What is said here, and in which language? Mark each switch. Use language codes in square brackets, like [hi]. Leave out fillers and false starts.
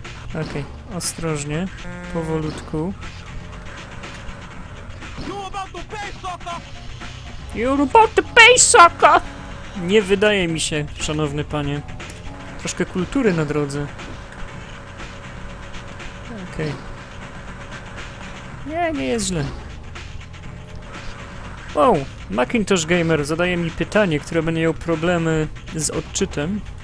[pl] Okej, ostrożnie, powolutku. [en] You're about to pay, sucker! [pl] Nie wydaje mi się, szanowny panie. Troszkę kultury na drodze. Okej. Nie, nie jest źle. Wow, Macintosh Gamer zadaje mi pytanie, które będzie miał problemy z odczytem.